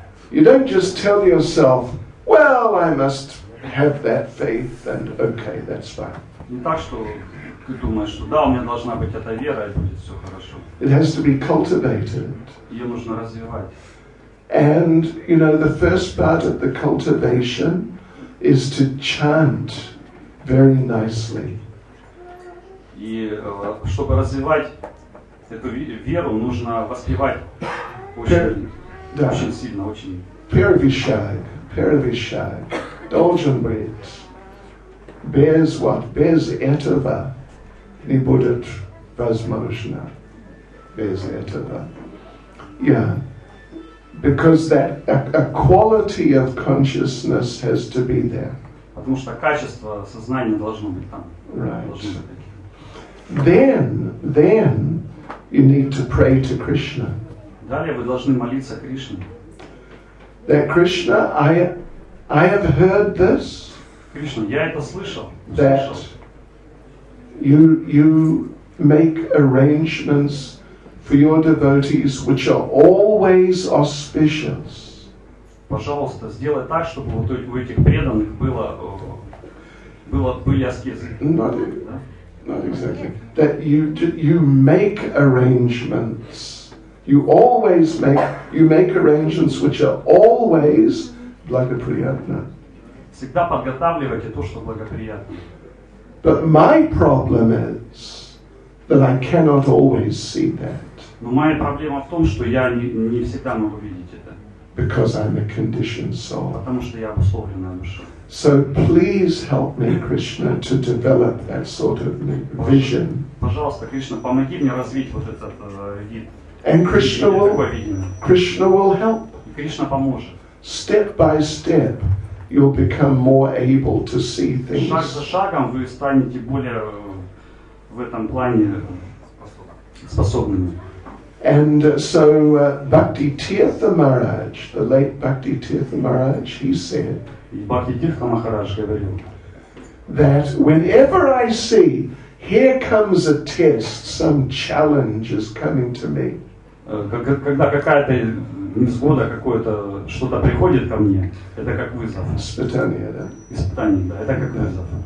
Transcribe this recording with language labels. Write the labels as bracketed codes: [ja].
[en] You don't just tell yourself, well, I must have that faith, and okay, that's fine. [ru] Не так, что ты думаешь, что да, у меня должна быть эта вера, и будет все хорошо. [en] It has to be cultivated. [ru] Ее нужно развивать. [en] And, you know, the first part of the cultivation is to chant very nicely. [ru] И чтобы развивать эту веру нужно воспевать очень, да. Очень сильно, очень. Первишаг, первишаг, должен быть. Без [en] what? [ru] Без этого не будет возможно. Без этого. Yeah. [en] Because that a quality of consciousness has to be there. [ru] Потому что качество сознания должно быть там. [en] Right. Then you need to pray to Krishna. [ru] Далее вы должны молиться Кришне. [en] That Krishna, I have heard this. [ru] Кришна, я это слышал. [en] That you make arrangements for your devotees, which are always auspicious. [ru] Пожалуйста, сделай так, чтобы вот у этих преданных были аскезы. [en] Not exactly. That you make arrangements. You always make arrangements which are always [ru] благоприятны. Всегда подготавливайте то, что благоприятно. [en] But my problem is that I cannot always see that. [ru] Но моя проблема в том, что я не всегда могу видеть это. [en] Because I'm a conditioned soul. [ru] Потому что я обусловленная душа. [en] So please help me, Krishna, to develop that sort of vision. [ru] Пожалуйста, Кришна, помоги мне развить вот этот вид. [en] And Krishna will help. [ru] И Кришна поможет. [en] Step by step, you'll become more able to see things. [ru] Шаг за шагом вы станете более в этом плане способными. [en] And so Bhakti Tirtha Maharaj, the late Bhakti Tirtha Maharaj, he said that whenever I see, here comes a test, some challenge is coming to me. [ru] Когда какая-то невзгода, какое-то что-то приходит ко мне, это как вызов. Испытание, да? Испытание, да, это как вызов.